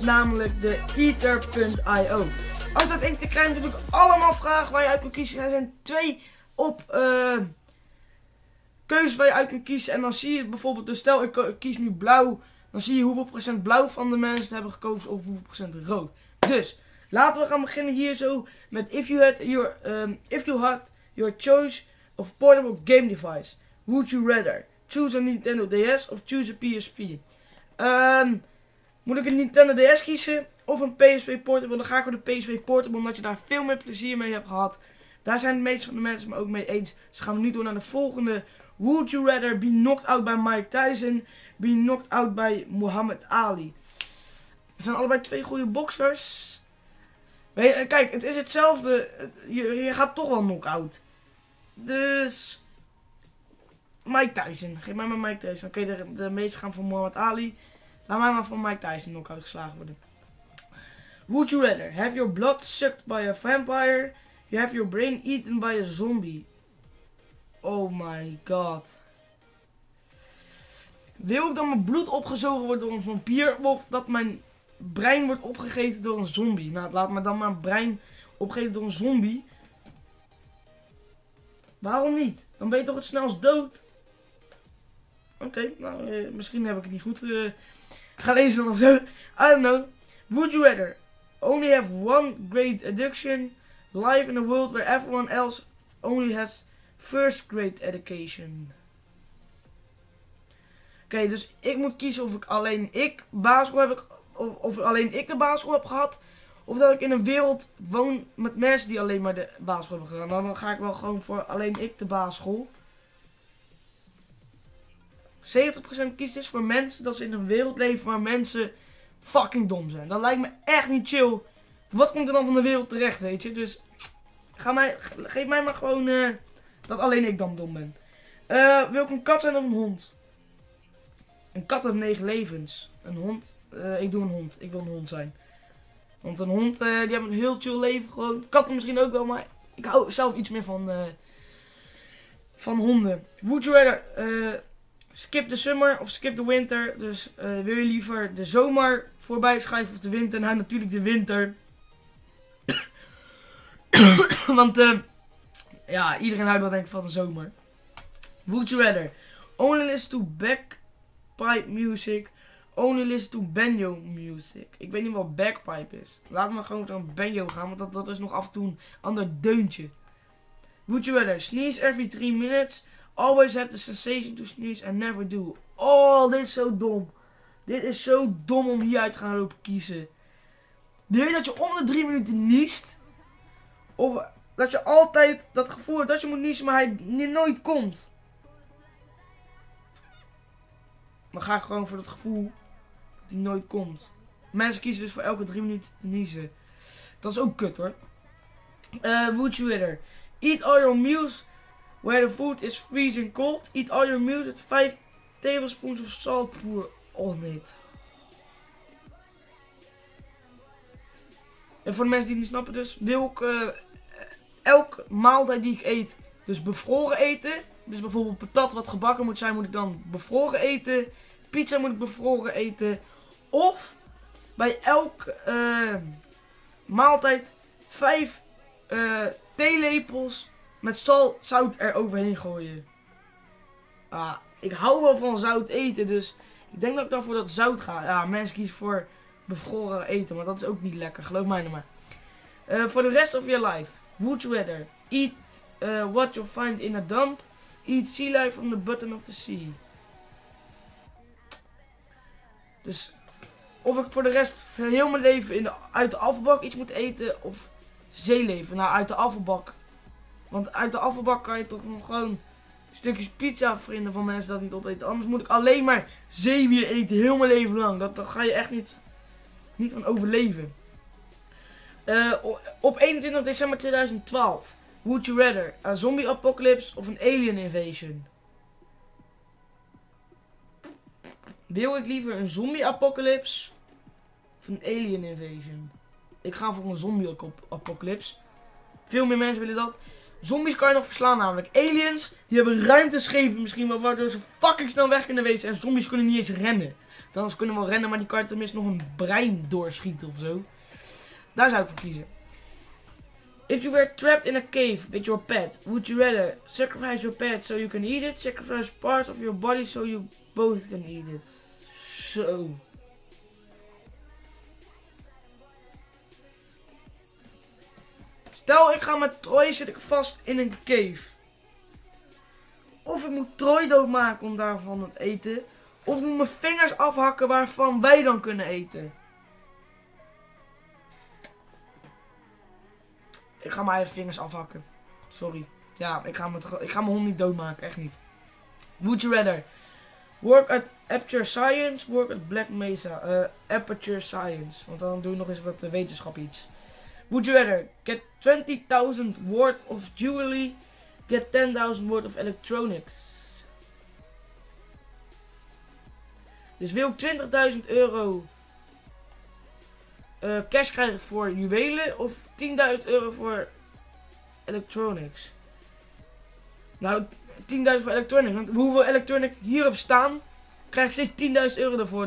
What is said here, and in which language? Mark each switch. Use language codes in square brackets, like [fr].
[nl] Namelijk de Eater.io. Als dat te krijgen, heb ik allemaal vragen waar je uit kunt kiezen. Er zijn twee op keuzes waar je uit kunt kiezen. En dan zie je bijvoorbeeld, dus stel ik kies nu blauw. Dan zie je hoeveel procent blauw van de mensen hebben gekozen of hoeveel procent rood. Dus laten we gaan beginnen hier zo met [en] if you had your choice of portable game device, would you rather choose a Nintendo DS of choose a PSP? [nl] Moet ik een Nintendo DS kiezen of een PSP portable? Dan ga ik voor de PSP portable omdat je daar veel meer plezier mee hebt gehad. Daar zijn de meeste van de mensen me ook mee eens. Dus gaan we nu door naar de volgende. [en] Would you rather be knocked out by Mike Tyson, be knocked out by Muhammad Ali? [nl] Dat zijn allebei twee goede boxers. Kijk, het is hetzelfde. Je gaat toch wel knock-out. Dus Mike Tyson. Geef mij maar Mike Tyson. Oké, de meesten gaan voor Muhammad Ali. Laat mij maar voor Mike Tyson knock-out geslagen worden. [en] Would you rather have your blood sucked by a vampire? You have your brain eaten by a zombie? Oh my god. [nl] Wil ik dat mijn bloed opgezogen wordt door een vampier? Of dat mijn brein wordt opgegeten door een zombie. Nou, laat me dan maar brein opgegeten door een zombie. Waarom niet? Dan ben je toch het snelst dood? Oké, misschien heb ik het niet goed gelezen of zo. [en] I don't know. Would you rather only have one great education, live in a world where everyone else only has first grade education? [nl] Oké, dus ik moet kiezen of ik alleen ik basisschool heb ik. Of alleen ik de basisschool heb gehad. Of dat ik in een wereld woon met mensen die alleen maar de basisschool hebben gedaan. Dan ga ik wel gewoon voor alleen ik de basisschool. 70% kiest dus voor mensen dat ze in een wereld leven waar mensen fucking dom zijn. Dat lijkt me echt niet chill. Wat komt er dan van de wereld terecht, weet je? Dus geef mij maar gewoon dat alleen ik dan dom ben. Wil ik een kat zijn of een hond? Een kat heeft 9 levens. Een hond? Ik doe een hond. Ik wil een hond zijn. Want een hond, die hebben een heel chill leven gewoon. Katten misschien ook wel, maar ik hou zelf iets meer van honden. [en] Would you rather skip the summer of skip the winter? [nl] Dus wil je liever de zomer voorbij schrijven of de winter? Nou, natuurlijk de winter. Want iedereen houdt wel denk ik van de zomer. [en] Would you rather only listen to bagpipe music? Only listen to banjo music. [nl] Ik weet niet wat bagpipe is. Laat me gewoon naar banjo gaan, want dat is nog af en toe een ander deuntje. [en] Would you rather sneeze every 3 minutes? Always have the sensation to sneeze and never do. [nl] Oh, dit is zo dom. Dit is zo dom om hieruit te gaan lopen kiezen. Wil je dat je om de 3 minuten niest? Of dat je altijd dat gevoel hebt dat je moet niezen, maar hij nooit komt? Dan ga ik gewoon voor dat gevoel dat die nooit komt. Mensen kiezen dus voor elke 3 minuten te niezen. Dat is ook kut hoor. [en] Would you rather eat all your meals where the food is freezing cold? Eat all your meals with 5 tablespoons of salt pour on it. [nl] En voor de mensen die het niet snappen dus. Wil ik elke maaltijd die ik eet dus bevroren eten. Dus bijvoorbeeld patat wat gebakken moet zijn, moet ik dan bevroren eten. Pizza moet ik bevroren eten. Of bij elke maaltijd 5 theelepels met zout er overheen gooien. Ah, ik hou wel van zout eten, dus ik denk dat ik dan voor dat zout ga. Ja, mensen kiezen voor bevroren eten, maar dat is ook niet lekker. Geloof mij nou maar. [en] For the rest of your life, would you rather eat what you find in a dump? Eat sea life from the bottom of the sea. [nl] Dus of ik voor de rest van heel mijn leven uit de afvalbak iets moet eten of zeeleven. Nou, uit de afvalbak. Want uit de afvalbak kan je toch nog gewoon stukjes pizza vinden van mensen dat niet opeten. Anders moet ik alleen maar zeewier eten heel mijn leven lang. Dat ga je echt niet van overleven. Op 21 december 2012. [en] Would you rather a zombie apocalypse of een alien invasion? [nl] Wil ik liever een zombie apocalypse of een alien invasion? Ik ga voor een zombie apocalypse. Veel meer mensen willen dat. Zombies kan je nog verslaan namelijk. Aliens, die hebben ruimteschepen misschien wel, waardoor ze fucking snel weg kunnen wezen. En zombies kunnen niet eens rennen. Dan ze kunnen wel rennen, maar die kan je tenminste nog een brein doorschieten of zo. Daar zou ik voor kiezen. [en] If you were trapped in a cave with your pet, would you rather sacrifice your pet so you can eat it? Sacrifice part of your body so you both can eat it? [nl] Zo. [en] So. [nl] Stel, ik ga met Troy zit ik vast in een cave. Of ik moet Troy doodmaken om daarvan het eten. Of ik moet mijn vingers afhakken waarvan wij dan kunnen eten. Ik ga mijn eigen vingers afhakken. Sorry. Ja, ik ga mijn hond niet doodmaken. Echt niet. [en] Would you rather work at Aperture Science, work at Black Mesa? Aperture Science. [nl] Want dan doe je nog eens wat wetenschap iets. [en] Would you rather get 20,000 worth of jewelry, get 10,000 worth of electronics? [nl] Dus wil ik 20.000 euro cash krijgen voor juwelen of 10.000 euro voor electronics? Nou, 10.000 voor electronics, want hoeveel electronic hierop staan, krijg ik steeds 10.000 euro ervoor.